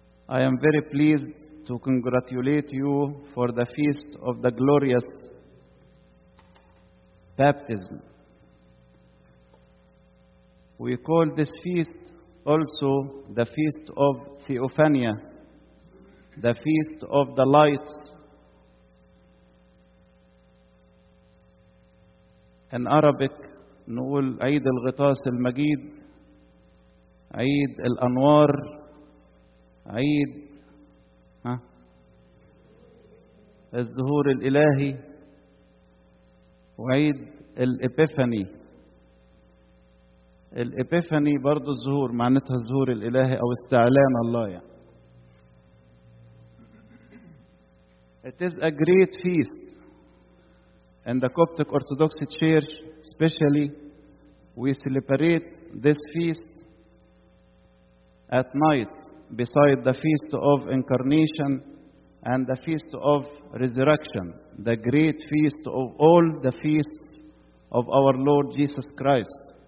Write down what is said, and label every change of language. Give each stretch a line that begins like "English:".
English: I am very pleased to congratulate you for the feast of the glorious baptism. We call this feast also the Feast of Theophania, the Feast of the Lights. In Arabic,
Arabic: نقول عيد الغطاس المجيد, عيد الأنوار, عيد الظهور الإلهي, وعيد الإبيفاني. الإبيفاني برضو الظهور, معناتها الظهور الإلهي أو استعلان الله يعني.
English: It is a great feast in the Coptic Orthodox Church. Especially we celebrate this feast at night beside the Feast of Incarnation and the Feast of Resurrection, the great feast of all the feasts of our Lord Jesus Christ.